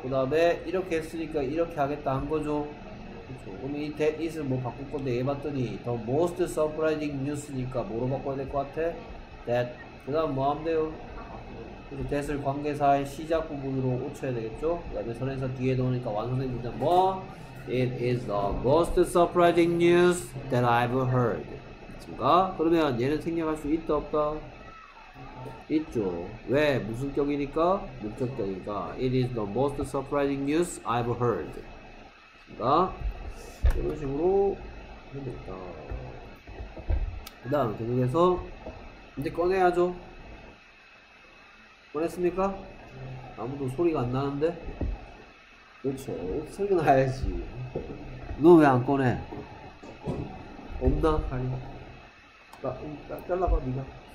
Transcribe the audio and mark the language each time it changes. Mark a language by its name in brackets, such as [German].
[Korean] 그 다음에 이렇게 했으니까 이렇게 하겠다 한 거죠. 그렇죠. 그럼 이 that is를 뭐 바꿀 건데 얘 봤더니 the most surprising news니까 뭐로 바꿔야 될 것 같아? That. 그 다음 뭐 하면 돼요? 그래서 that을 관계사의 시작 부분으로 고쳐야 되겠죠. 그 다음에 선행사 뒤에 넣으니까 완성된 문장 뭐? [English] It is the most surprising news that I've heard. [Korean] 맞습니까? 그러면 얘는 생략할 수 있다 없다? 있죠. 왜? 무슨 격이니까? 목적격이니까. [English] It is the most surprising news I've heard. [Korean] 맞습니까? 이런 식으로 하면 됩니다. 그 다음 계속해서 이제 꺼내야죠. 꺼냈습니까? 아무도 소리가 안 나는데? 그렇죠. 소리가 나야지. 너 왜 안 꺼내? 없나? 아니. 잘라봐, 니가.